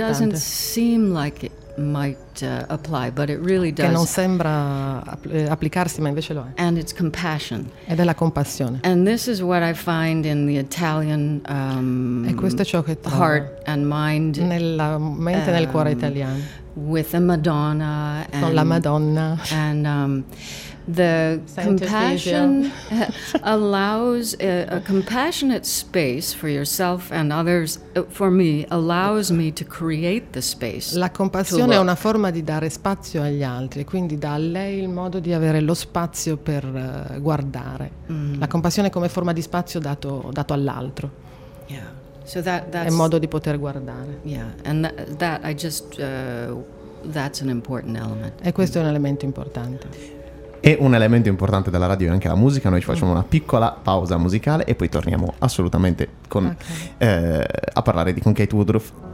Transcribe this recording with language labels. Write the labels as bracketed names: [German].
[English] Doesn't seem like it might apply, but it really does. [Italian] Che non sembra applicarsi, ma invece lo è. [English] And it's compassion. [Italian] Ed è la compassione. [English] And this is what I find in the Italian [Italian] e questo è ciò che trovo [English] heart and mind. [Italian] Nella mente e nel cuore italiano. [English] With a Madonna. [Italian] Con la Madonna. [English] And the Scientist compassion allows a compassionate space for yourself and others, for me, allows me to create the space. [Italian] La compassione è una forma di dare spazio agli altri, quindi dà a lei il modo di avere lo spazio per guardare. La compassione come forma di spazio dato all'altro. [English] Yeah. So that's [Italian] è modo di poter guardare. [English] Yeah. And that I just that's an important element. [Italian] E questo è un elemento importante. E un elemento importante della radio è anche la musica. Noi ci facciamo una piccola pausa musicale e poi torniamo assolutamente a parlare con Kate Woodruff.